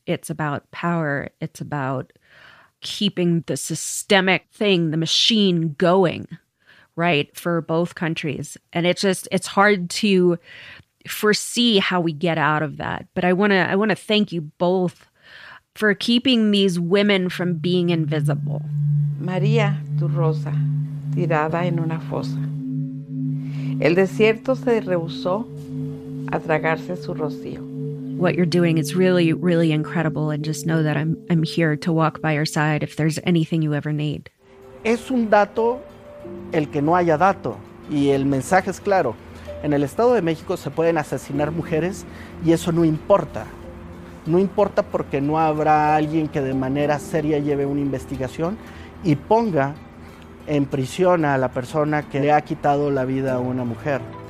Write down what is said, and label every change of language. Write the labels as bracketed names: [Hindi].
[English] It's about power. It's about keeping the systemic thing, the machine going, right, for both countries. And it's just, it's hard to foresee how we get out of that. But I want to thank you both for keeping these women from being invisible. [Spanish] María, tu rosa, tirada en una fosa. El desierto se rehusó a tragarse su rocío. [English] What you're doing is really, really incredible. And just know that I'm here to walk by your side if there's anything you ever need. [Spanish] Es un dato el que no haya dato. Y el mensaje es claro. En el Estado de México se pueden asesinar mujeres y eso no importa. No importa porque no habrá alguien que de manera seria lleve una investigación y ponga en prisión a la persona que le ha quitado la vida a una mujer.